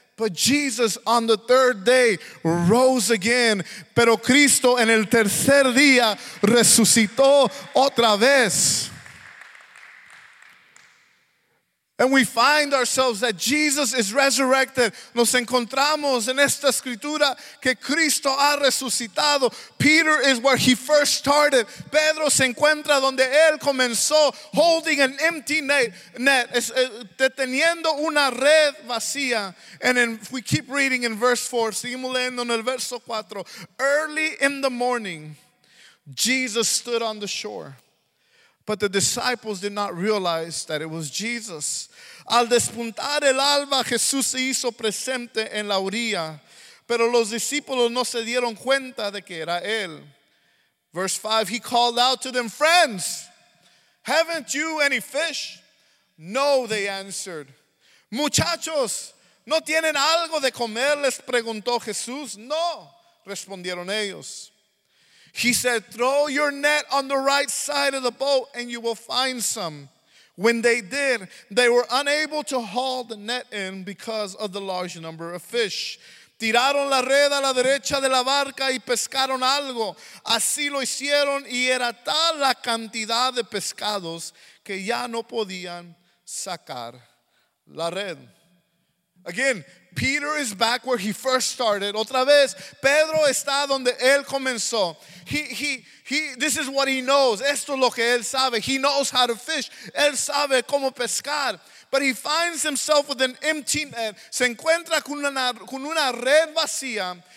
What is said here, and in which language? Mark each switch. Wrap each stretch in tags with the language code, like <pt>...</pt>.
<en>But Jesus on the third day rose again.</en> <es>Pero Cristo en el tercer día resucitó otra vez.</es> <en>And we find ourselves that Jesus is resurrected.</en> <es>Nos encontramos en esta escritura que Cristo ha resucitado.</es> <en>Peter is where he first started.</en> <es>Pedro se encuentra donde él comenzó,</es> <en>holding an empty net,</en> <es>deteniendo una red vacía.</es> <en>And then we keep reading in verse 4.</en> <es>Seguimos leyendo en el verso 4.</es> <en>Early in the morning, Jesus stood on the shore. But the disciples did not realize that it was Jesus.</en> <es>Al despuntar el alba, Jesús se hizo presente en la orilla. Pero los discípulos no se dieron cuenta de que era él.</es> <en>Verse 5, he called out to them, friends, haven't you any fish? No, they answered.</en> <es>Muchachos, ¿no tienen algo de comer? Les preguntó Jesús. No, respondieron ellos.</es> <en>He said, throw your net on the right side of the boat and you will find some. When they did, they were unable to haul the net in because of the large number of fish.</en> <es>Tiraron la red a la derecha de la barca y pescaron algo. Así lo hicieron y era tal la cantidad de pescados que ya no podían sacar la red.</es> <en>Again, Peter is back where he first started.</en> <es>Otra vez, Pedro está donde él comenzó.</es> <en>He this is what he knows.</en> <es>Esto es lo que él sabe.</es> <en>He knows how to fish.</en> <es>Él sabe cómo pescar.</es> <en>But he finds himself with an empty net.</en> <es>Se encuentra con una red vacía.</es>